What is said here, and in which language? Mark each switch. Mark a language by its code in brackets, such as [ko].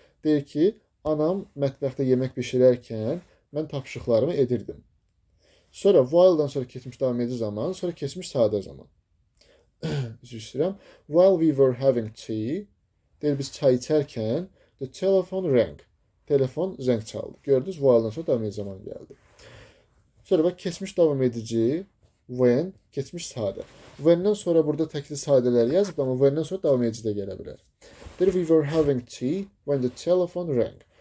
[az] Deyir ki, anam mətbəxtə yemək bişirərkən mən tapşırıqlarımı edirdim. Sonra while'dan sonra keçmiş devam edici zaman, sonra keçmiş sadə zaman. Üzür istəyirəm. [en] While we were having tea, [az] deyir biz çay içərkən, [en] the telephone rang. [az] Telefon zəng çaldı. Gördünüz, while'dan sonra devam edici zaman geldi. Sonra bak keçmiş devam edici when keçmiş sadə. When'dan sonra burada təkli sadələr yazıb ama when'dan sonra devam edici de gələ bilər. [en] There we were having tea when the telephone rang.